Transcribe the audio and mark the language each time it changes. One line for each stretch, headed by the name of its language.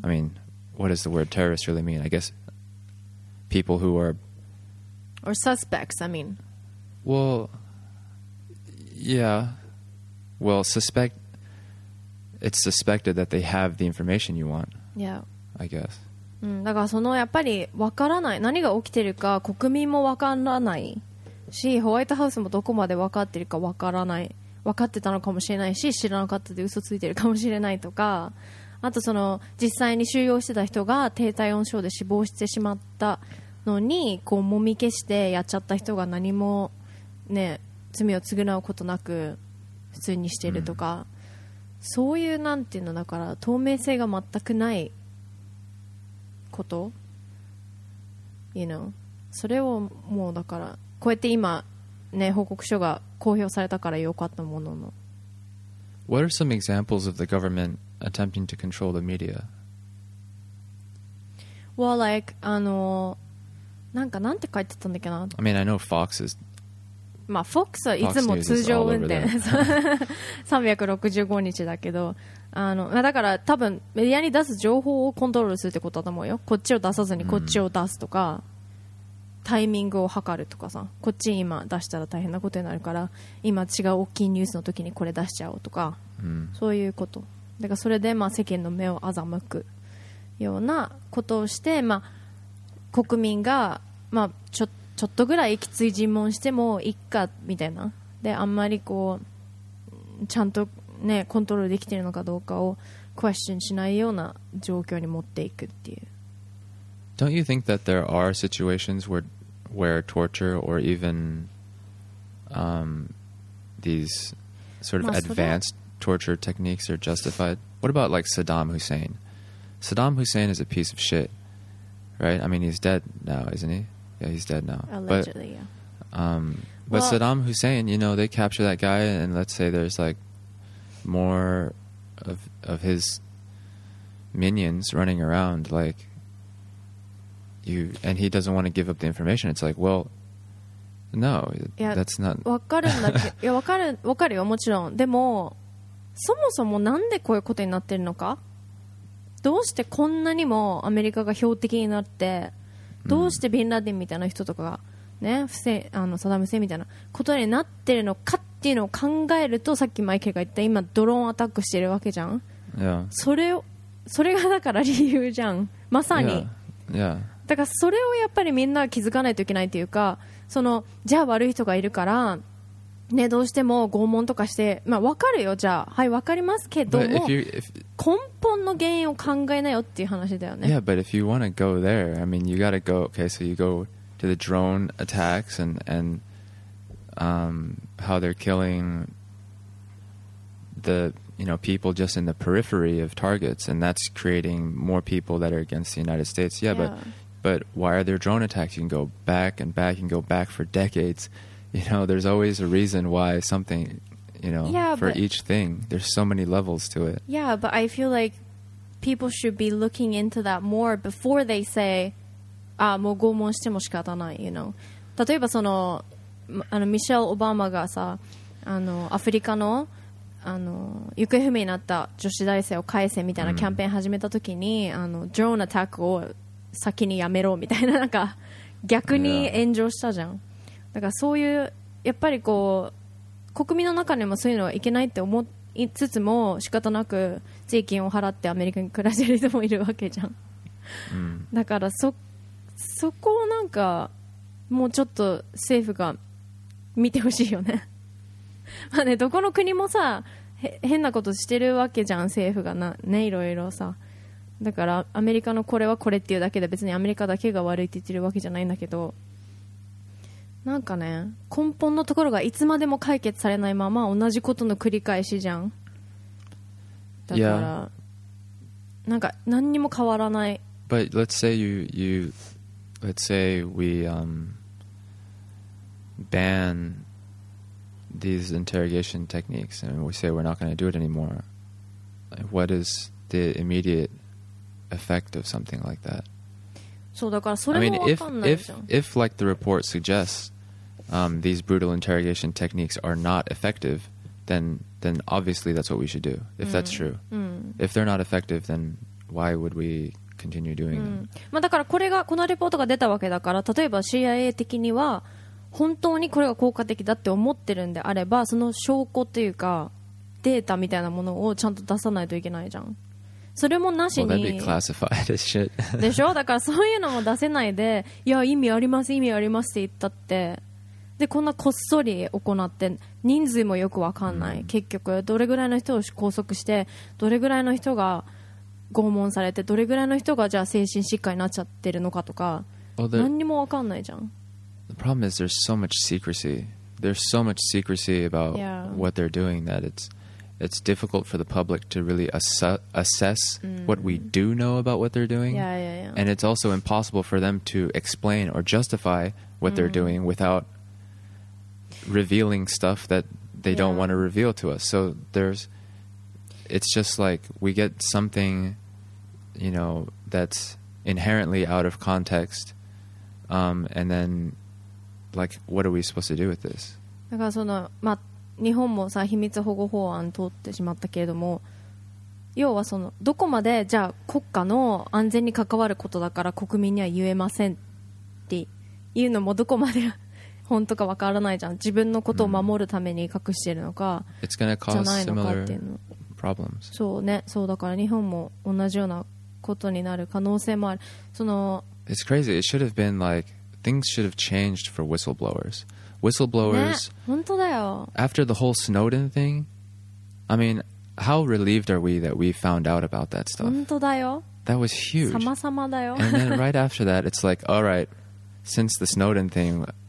English: I mean, what does the word terrorist really mean? I guess people who are... Or suspects, I mean. Well, yeah. Well, it's suspected that they have the information you want. Yeah. I guess.
Japanese: うん、だからそのやっぱり分からない、何が起きてるか国民も分からないし、ホワイトハウスもどこまで分かってるか分からない、分かってたのかもしれないし知らなかったで嘘ついてるかもしれないとか、あとその実際に収容してた人が低体温症で死亡してしまったのにこう揉み消してやっちゃった人が何も、ね、罪を償うことなく普通にしてるとか、うん、そういうなんていうのだから透明性が全くないこと、
English: you know、
Japanese: それをもうだからこうやって今ね報告書が公表されたからよかったものの。
English: What are some examples of the government attempting to control the media? Well, like,
Japanese: なんかなんて書いてたんだっけな。
English: I mean, I know Fox is
Japanese: まあ、FOX はいつも通常運転365日だけど、あの、まあ、だから多分メディアに出す情報をコントロールするってことだと思うよ。こっちを出さずにこっちを出すとか、タイミングを測るとかさ、こっち今出したら大変なことになるから今違う大きいニュースの時にこれ出しちゃおうとか、そういうこと。だからそれでまあ世間の目を欺くようなことをして、まあ、国民がまあちょっとぐらいきつい尋問してもいっかみたいな、であんまりこうちゃんと、ね、コントロールできてるのかどうかをクエスチョンしないような状況に持っていくっていう。
English: Don't you think that there are situations where torture or even these sort of advanced torture techniques are justified? What about like Saddam Hussein? Saddam Hussein is a piece of shit, right? I mean, he's dead now, isn't he? Yeah, he's dead now. Allegedly, but, yeah. But well, Saddam Hussein, you know, they capture that guy, and let's say there's like more of his minions running around, like you, and he doesn't want to give up the information. It's like, well, no, yeah, that's not.
Japanese: わかるんだけど、いや、わかるよ、もちろん。でも、そもそもなんでこういうことになってるのか？どうしてこんなにもアメリカが標的になって。どうしてビンラディンみたいな人とかが、ね、あのサダム・セイみたいなことになってるのかっていうのを考えると、さっきマイケルが言った今ドローンアタックしてるわけじゃん、
English: yeah.
Japanese: それがだから理由じゃん、まさに、
English: yeah. Yeah.
Japanese: だからそれをやっぱりみんな気づかないといけないというか、そのじゃあ悪い人がいるから、ね、どうしても拷問とかして、まあ、分かるよ、じゃあはい分かりますけども、根本の原因を考えなよっていう話だよね。
English: Yeah, but if you want to go there, I mean, you gotta go. Okay, so you go to the drone attacks and how they're killing the, you know, people just in the periphery of targets, and that's creating more people that are against the United States. Yeah, yeah. But why are there drone attacks? You can go back and back and go back for decades. You know, there's always a reason why something. You know, yeah, for each thing, there's so many levels to it. Yeah, but I feel like people should be looking into that more before they say, ah,
Japanese: もう拷問しても仕方ない,
English: you know.
Japanese: 例えばその、あの、ミシェル・オバマがさ、あの、アフリカの、あの、行方不明になった女子大生を返せみたいなキャンペーン始めた時に、あの、ドローンアタックを先にやめろみたいな、なんか逆に炎上したじゃん。だからそういう、やっぱりこう、国民の中にもそういうのはいけないって思いつつも、仕方なく税金を払ってアメリカに暮らしている人もいるわけじゃん、うん、だから そこをなんかもうちょっと政府が見てほしいよね。まあね、どこの国もさ、変なことしてるわけじゃん、政府がな、ね、いろいろさ。だからアメリカのこれはこれっていうだけで、別にアメリカだけが悪いって言ってるわけじゃないんだけど、なんかね、根本のところがいつまでも解決されないまま同じことの繰り返しじゃん。だから、
English: yeah.
Japanese: なんか何にも変わらない。
English: But let's say let's say we ban these interrogation techniques and we say we're not going to do it anymore. What is the immediate effect of something like that? そうだから、それも分かんないじゃん。 I mean, if like the report suggests. These brutal interrogation techniques are not effective, then obviously that's what we should do, if that's true. If they're not effective, then why would we continue doing them?
Japanese: まあだからこれが、このレポートが出たわけだから、例えば CIA 的には本当にこれが効果的だって思ってるんであれば、その証拠というかデータみたいなものをちゃんと出さないといけないじゃん。それもなしに、
English: well, that'd be classified as shit.
Japanese: でしょ？だからそういうのも出せないで、いや意味あります意味ありますって言ったって、でこんなこっそり行って、人数もよく分かんない、うん、結局どれぐらいの人を拘束して、どれぐらいの人が拷問されて、どれぐらいの人がじゃあ精神疾患になっちゃってるのかとか、
English: well,
Japanese: 何にも分かんないじゃん。
English: The problem is there's so much secrecy. There's so much secrecy about、 yeah. what they're doing that it's difficult for the public to really assess、
Japanese: うん、
English: what we do know about what they're doing. Yeah, yeah, yeah. And it's also impossible for them to explain or justify what、
Japanese: うん、
English: they're doing withoutrevealing stuff that they don't、yeah. want to reveal to us. So there's, it's just like we get something, you know, that's inherently out of context, and then like what are we supposed to do with this?
Japanese: だからその、まあ、日本もさ秘密保護法案通ってしまったけれども、要はそのどこまでじゃあ国家の安全に関わることだから国民には言えませんっていうのもどこまで本当か分からないじゃん。自分のことを守るために隠してるのか、うん、じゃないのかっていうの。
English: It's gonna cause similar problems.
Japanese: そうね、そうだから日本も同じようなことになる可能性もある。その
English: It's crazy. It should have been like things should have changed for whistleblowers. Whistleblowers.
Japanese: ね、本当だよ。
English: After the whole Snowden thing, I mean, how relieved are we that we found out about that stuff?
Japanese: 本当だよ。
English: That was huge.
Japanese: 様々だよ。
English: And then right after that, it's like, all right, since the Snowden thing.